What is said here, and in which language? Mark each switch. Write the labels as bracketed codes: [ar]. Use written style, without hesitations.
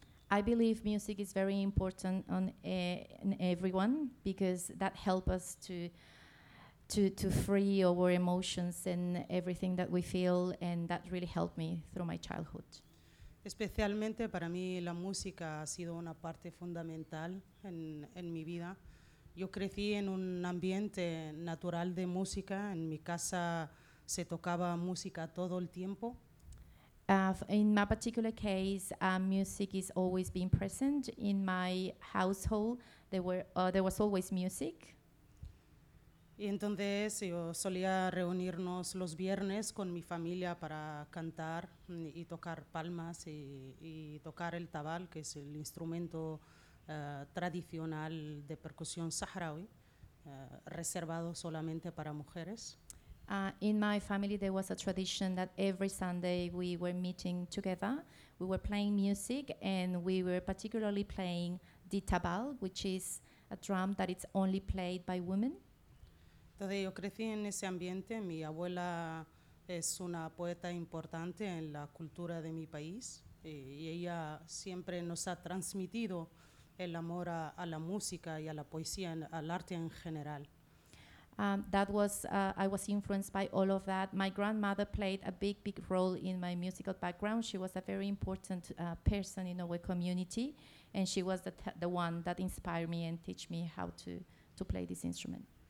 [en] I believe music is very important on in everyone because that helps us to free our emotions and everything that we feel, and that really helped me through my childhood. [es] Especialmente para mí la música ha sido una parte fundamental en mi vida. Yo crecí en un ambiente natural de música. En mi casa se tocaba música todo el tiempo. [en] In my particular case, music is always being present. In my household, there was always music. [es] Y entonces yo solía reunirnos los viernes con mi familia para cantar y tocar palmas y tocar el tabal, que es el instrumento tradicional de percusión saharaui, reservado solamente para mujeres. [en] In my family, there was a tradition that every Sunday we were meeting together. We were playing music and we were particularly playing the tabal, which is a drum that is only played by women. [es] Entonces yo crecí en ese ambiente. Mi abuela es una poeta importante en la cultura de mi país y ella siempre nos ha transmitido el amor a la música y a la poesía, al arte en general. [en] I was influenced by all of that. My grandmother played a big, big role in my musical background. She was a very important person in our community, and she was the one that inspired me and teach me how to play this instrument.